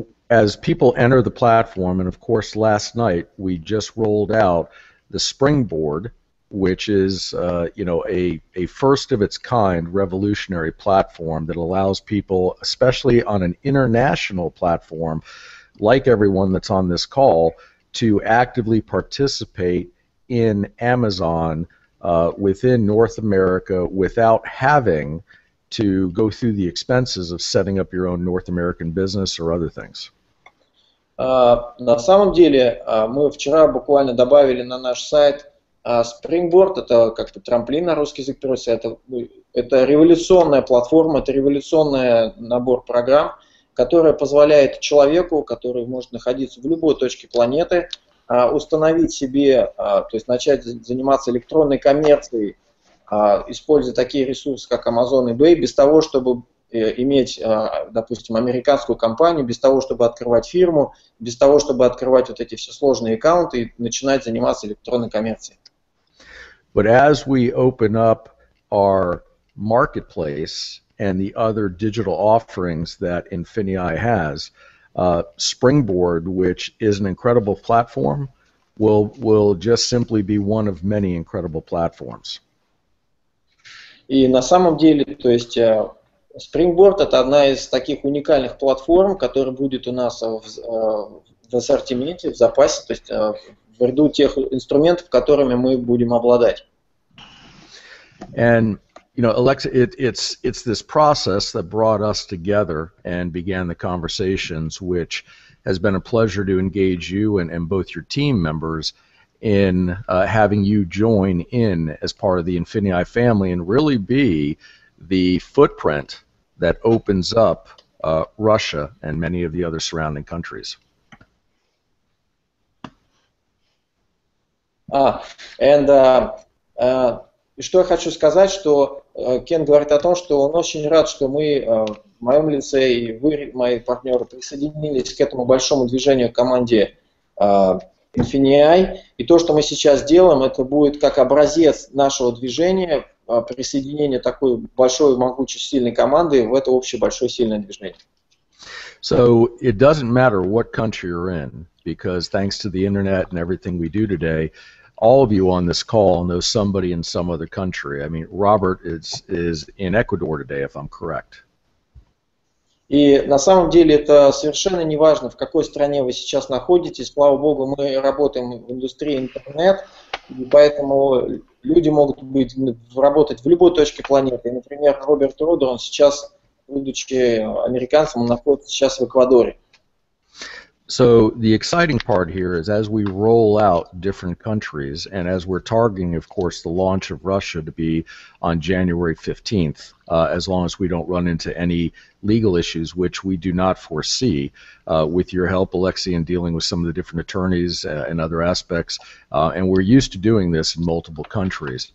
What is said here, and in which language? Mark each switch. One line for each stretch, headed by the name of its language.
English: As people enter the platform, and of course last night we just rolled out the Springboard, which is a first of its kind revolutionary platform that allows people, especially on an international platform, like everyone that's on this call, to actively participate in Amazon within North America without having to go through the expenses of setting up your own North American business or other things.
Russian: На самом деле, мы вчера буквально добавили на наш сайт Springboard, это как бы трамплин на русский язык переводится, это революционная платформа, это революционный набор программ, которая позволяет человеку, который может находиться в любой точке планеты, установить себе, то есть начать заниматься электронной коммерцией, используя такие ресурсы, как Amazon и eBay, без того, чтобы иметь, допустим, американскую компанию, без того, чтобы открывать фирму, без того, чтобы открывать вот эти все сложные аккаунты и начинать заниматься электронной коммерцией.
English: But as we open up our marketplace and the other digital offerings that Infinii has, Springboard, which is an incredible platform, will just simply be one of many incredible platforms.
Russian: И на самом деле, то есть Springboard – это одна из таких уникальных платформ, которая будет у нас в ассортименте, в запасе, то есть в ряду тех инструментов, которыми мы будем обладать.
English: And, you know, Alexa, it's this process that brought us together and began the conversations, which has been a pleasure to engage you and both your team members in having you join in as part of the Infinii family and really be the footprint that opens up Russia and many of the other surrounding countries.
Russian: Что я хочу сказать, что Кен говорит о том, что он очень рад, что мы в моем лице и вы, мои партнеры, присоединились к этому большому движению команде Infinii, и то, что мы сейчас делаем, это будет как образец нашего движения, присоединение такой большой, могучей, сильной команды в это общее большое сильное движение.
English: So it doesn't matter what country you're in, because thanks to the internet and everything we do today, all of you on this call know somebody in some other country. I mean, Robert is in Ecuador today, if I'm correct.
Russian: И на самом деле это совершенно не важно, в какой стране вы сейчас находитесь. Слава богу, мы работаем в индустрии интернет, и поэтому люди могут работать в любой точке планеты. И, например, Роберт Родер, он сейчас, будучи американцем, он находится сейчас в Эквадоре.
English: So the exciting part here is as we roll out different countries, and as we're targeting, of course, the launch of Russia to be on January 15th, as long as we don't run into any legal issues, which we do not foresee, with your help, Alexei, in dealing with some of the different attorneys and other aspects, and we're used to doing this in multiple countries.